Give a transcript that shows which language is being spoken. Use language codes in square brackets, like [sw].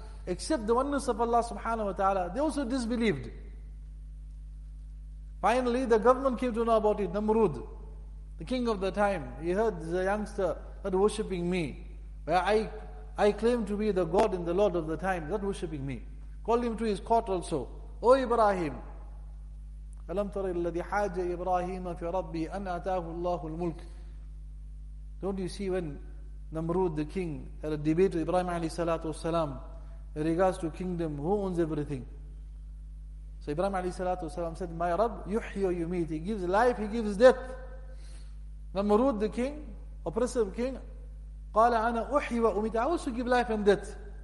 [en] Accept the oneness of Allah subhanahu wa ta'ala. They also disbelieved. Finally, the government came to know about it. Namrud, the king of the time. He heard the youngster not worshipping me. Where I claim to be the God and the Lord of the time. Not worshipping me. Called him to his court also. [ar] O Ibrahim, أَلَمْ تَرَ الَّذِي حَاجَ إِبْرَاهِيمَ فِي رَبِّهِ أَنْ أَتَاهُ اللَّهُ الْمُلْكِ. [en] Don't you see when Namrud the king had a debate with Ibrahim alayhi salatu wasalam in regards to kingdom, who owns everything? So Ibrahim alayhi salatu wasalam said, my Rabb, [ar] يُحْيَ يُمِيت. [en] He gives life, he gives death. Namrud the king, oppressive king, [ar] قَالَ أَنَا أُحْيَ وَأُمِيت. [en] I also give life and death.